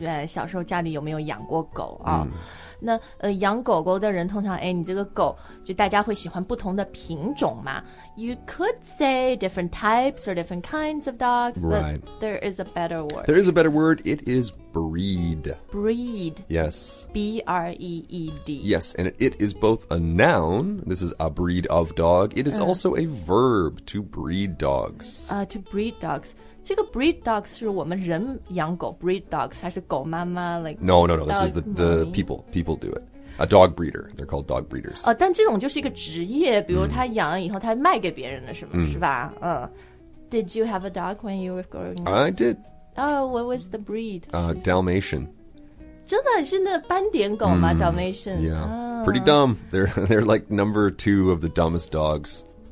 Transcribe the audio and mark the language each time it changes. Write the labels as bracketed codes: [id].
[zh] 对，小时候家里有没有养过狗啊？ Mm. 那养狗狗的人通常哎，你这个狗就大家会喜欢不同的品种嘛。 [en] You could say different types or different kinds of dogs, right? But there is a better word. There is a better word. It is breed. Breed. Yes. B-R-E-E-D. Yes, and it is both a noun. This is a breed of dog. It is also a verb to breed dogs. To breed dogs. [zh] 这个 [en] breed dogs [zh] 是我们人养狗 breed dogs 还是狗妈妈 [en] like no this is the people do it, a dog breeder, they're called dog breeders. [zh] 哦，但这种就是一个职业，比如他养以后他卖给别人的什么、是吧？ [en] 嗯、did you have a dog when you were growing up? I did. Oh, what was the breed? Dalmatian. [zh] 真的是那斑点狗吗 Dalmatian? [en] Yeah,、pretty dumb. They're like number two of the dumbest dogs.